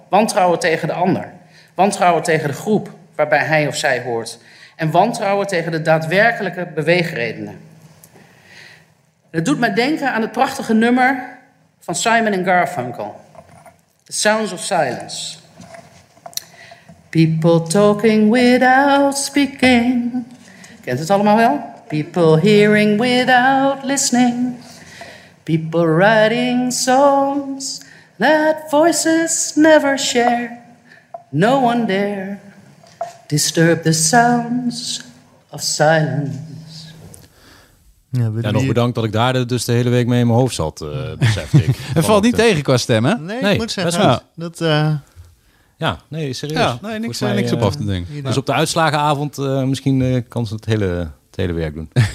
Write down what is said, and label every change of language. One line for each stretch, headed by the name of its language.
Dutch: Wantrouwen tegen de ander. Wantrouwen tegen de groep waarbij hij of zij hoort. En wantrouwen tegen de daadwerkelijke beweegredenen. Het doet mij denken aan het prachtige nummer van Simon & Garfunkel.
English: The Sounds of Silence. People talking without speaking.
Dutch: Kent het allemaal wel?
English: People hearing without listening. People writing songs that voices never share. No one dare disturb the sounds of silence.
Dutch: Ja, nog bedankt dat ik daar dus de hele week mee in mijn hoofd zat, besefte ik. Het valt niet tegen qua stem, hè? Nee, ik moet zeggen. Dat Serieus. Ja, niks op af te denken. Dus op de uitslagenavond misschien kan ze het hele werk doen.